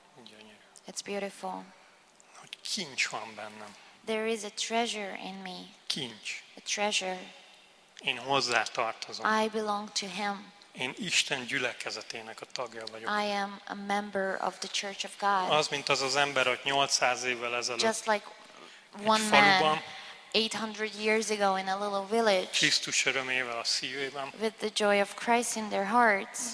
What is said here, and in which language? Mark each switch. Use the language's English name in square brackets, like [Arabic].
[Hungarian] Gyönyörű. [English] It's beautiful. [Hungarian] Kincs van bennem. [English] There is a treasure in me. [Hungarian] Kincs. [English] A treasure. [Hungarian] Én hozzá tartozom. [English] I belong to him. [Hungarian] Én Isten gyülekezetének a tagja vagyok. [English] I am a member of the church of God. [Hungarian] Az, mint az az ember, hogy 800 évvel ezelőtt. [English] Just like one man 800 years ago in a little village. [Hungarian] Krisztus örömével a szívében. [English] With the joy of Christ in their hearts.